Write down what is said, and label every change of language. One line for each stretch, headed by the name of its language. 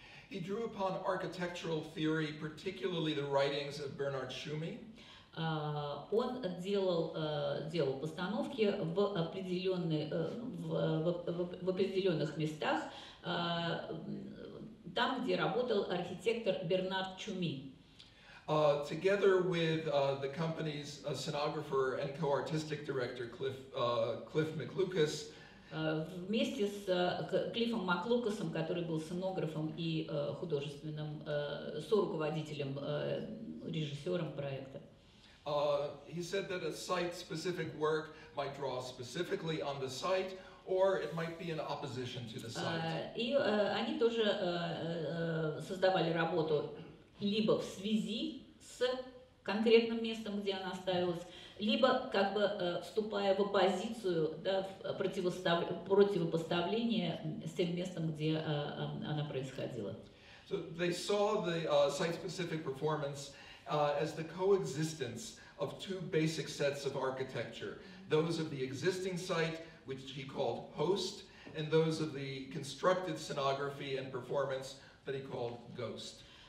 English: He drew upon architectural theory, particularly the writings of Bernard Schumi.
Russian: Он делал, делал постановки в, в определенных местах, там, где работал архитектор Бернард Чуми.
English: Together with the company's scenographer and co-artistic director Cliff, Cliff McLucas.
Russian: Вместе с Клиффом Маклукасом, который был сценографом и художественным со-руководителем, режиссером проекта.
English: He said that a site-specific work might draw specifically on the site, or it might be in opposition to the site.
Russian: И они тоже создавали работу либо в связи с конкретным местом, где она ставилась, либо как бы вступая в оппозицию, да, в противопоставление с тем местом, где она происходила.
English: So they saw the site-specific performance as the coexistence of two basic sets of architecture, those of the existing site, which he called host, and those of the constructed scenography and performance that he called ghost.